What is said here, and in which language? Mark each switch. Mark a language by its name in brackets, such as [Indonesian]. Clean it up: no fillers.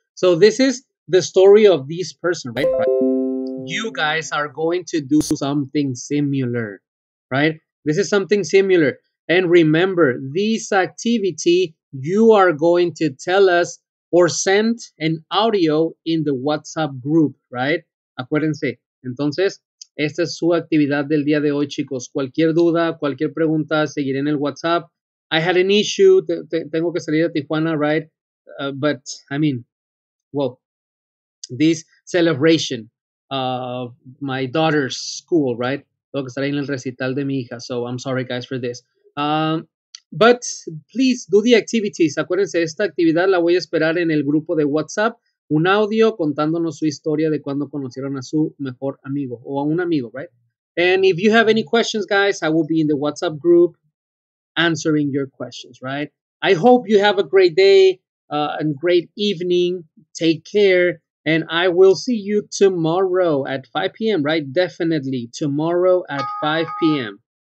[English] So this is the story of this person, right? You guys are going to do something similar, right? This is something similar. And remember, this activity, you are going to tell us or sent an audio in the WhatsApp group, right? [Spanish] Acuérdense. Entonces, esta es su actividad del día de hoy, chicos. Cualquier duda, cualquier pregunta, seguiré en el WhatsApp. [English] I had an issue. [Spanish] Tengo que salir a Tijuana, [English] right? But, I mean, well, this celebration of my daughter's school, right? [Spanish] Tengo que estar en el recital de mi hija. [English] So, I'm sorry, guys, for this. But, please, do the activities. [Spanish] Acuérdense, esta actividad la voy a esperar en el grupo de WhatsApp. Un audio contándonos su historia de cuando conocieron a su mejor amigo o a un amigo, right? [English] And if you have any questions, guys, I will be in the WhatsApp group answering your questions, right? I hope you have a great day and great evening. Take care. And I will see you tomorrow at 5 p.m., right? Definitely tomorrow at 5 p.m.